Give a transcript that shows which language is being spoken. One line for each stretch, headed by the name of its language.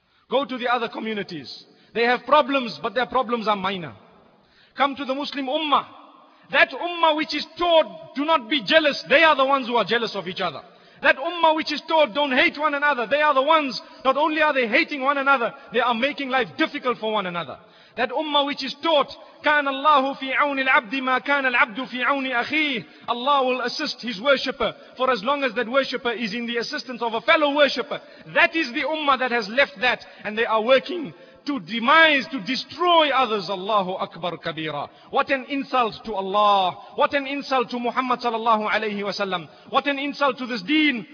English: Go to the other communities. They have problems, but their problems are minor. Come to the Muslim ummah. That ummah which is taught, do not be jealous, they are the ones who are jealous of each other. That ummah which is taught, don't hate one another, they are the ones, not only are they hating one another, they are making life difficult for one another. That ummah which is taught,
Arabic: كَانَ اللَّهُ فِي عَوْنِ الْعَبْدِ مَا كَانَ الْعَبْدُ فِي عَوْنِ أَخِيهِ.
English: Allah will assist His worshipper for as long as that worshipper is in the assistance of a fellow worshipper. That is the ummah that has left that, and they are working to demise, to destroy others. Allahu Akbar Kabira. What an insult to Allah. What an insult to Muhammad sallallahu alayhi wa sallam. What an insult to this deen.